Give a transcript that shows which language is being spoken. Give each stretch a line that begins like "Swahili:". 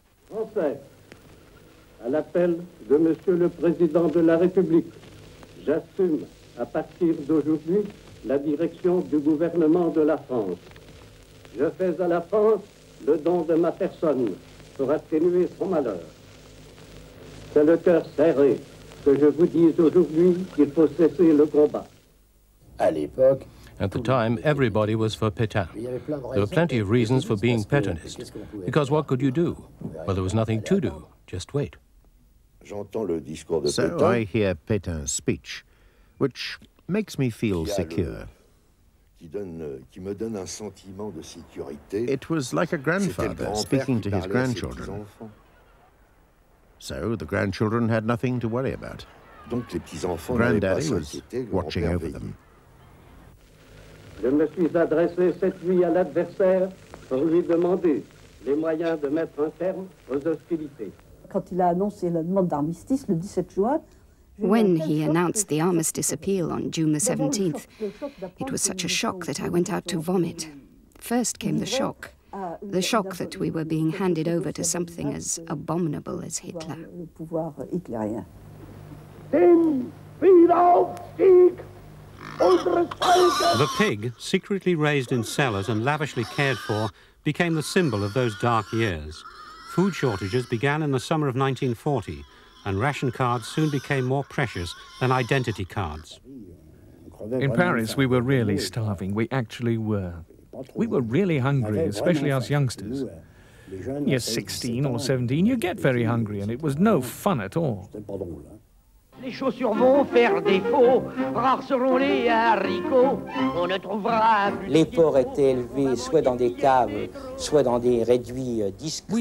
French: Français, à l'appel de Monsieur le Président de la République, j'assume à partir d'aujourd'hui la direction du gouvernement de la France. Je fais à la France le don de ma personne pour atténuer son malheur. C'est le cœur serré que je vous dis aujourd'hui qu'il faut cesser le combat. À l'époque,
English: at the time, everybody was for Pétain. There were plenty of reasons for being Pétainist, because what could you do? Well, there was nothing to do, just wait. So I hear Pétain's speech, which makes me feel secure. It was like a grandfather speaking to his grandchildren. So the grandchildren had nothing to worry about. Granddaddy was watching over them.
French: Je me suis adressé cette nuit à l'adversaire pour lui demander les moyens de mettre un terme aux hostilités. Quand il a annoncé la demande d'armistice le 17 juin,
English: when he announced the armistice appeal on June the 17th, it was such a shock that I went out to vomit. First came the shock that we were being handed over to something as abominable as Hitler. The pig, secretly raised in cellars and lavishly cared for, became the symbol of those dark years. Food shortages began in the summer of 1940, and ration cards soon became more precious than identity cards. In Paris, we were really starving. We actually were. We were really hungry, especially us youngsters. You're 16 or 17, you get very hungry, and it was no fun at all.
French: Les chaussures vont faire défaut, rares seront les haricots, on ne trouvera plus. Les porcs étaient élevés soit dans des caves, soit dans des réduits discrets.